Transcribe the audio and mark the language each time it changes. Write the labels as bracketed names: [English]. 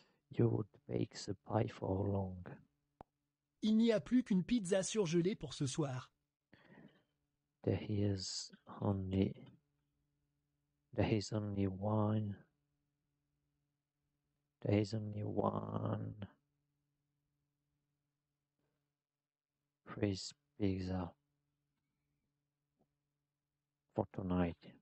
[English] You would bake the pie for how long? [French] Il n'y a plus qu'une pizza surgelée pour ce soir. [English] There is only one freeze pizza for tonight.